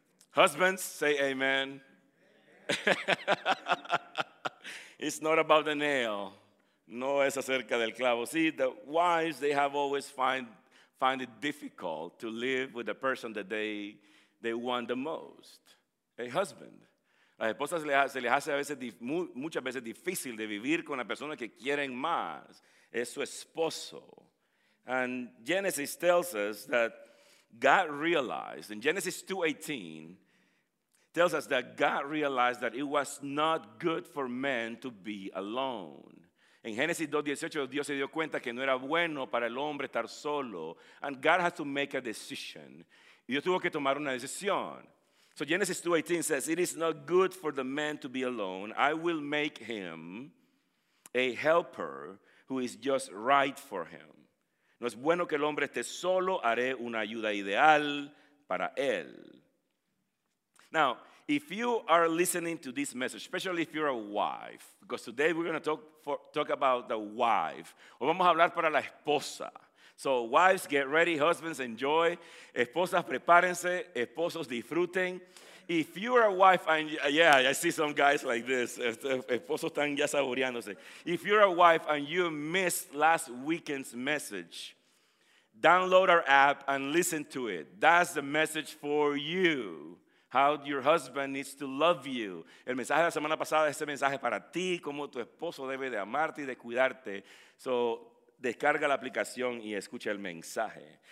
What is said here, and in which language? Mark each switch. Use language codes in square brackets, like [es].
[en] Husbands, say amen. It's not about the nail. [es] No es acerca del clavo. [en] See, the wives, they have always find it difficult to live with the person that they want the most. A husband. [es] A esposas se les hace a veces muchas veces difícil de vivir con la persona que quieren más. Es su esposo. [en] And Genesis tells us that God realized, in Genesis 2:18, tells us that God realized that it was not good for man to be alone. [es] In Genesis 2:18, Dios se dio cuenta que no era bueno para el hombre estar solo. [en] And God has to make a decision. [es] Dios tuvo que tomar una decisión. [en] So Genesis 2:18 says, it is not good for the man to be alone. I will make him a helper who is just right for him. [es] No es bueno que el hombre esté solo, haré una ayuda ideal para él. [en] Now, if you are listening to this message, especially if you're a wife, because today we're going to talk about the wife. [es] Hoy vamos a hablar para la esposa. [en] So wives, get ready. Husbands, enjoy. [es] Esposas, prepárense. Esposos, disfruten. [en] If you're a wife, and yeah, I see some guys like this. [es] Esposos están ya saboreándose. [en] If you're a wife and you missed last weekend's message, download our app and listen to it. That's the message for you. How your husband needs to love you. [es] El mensaje de la semana pasada es ese mensaje para ti, cómo tu esposo debe de amarte y de cuidarte. So, descarga la aplicación y escucha el mensaje.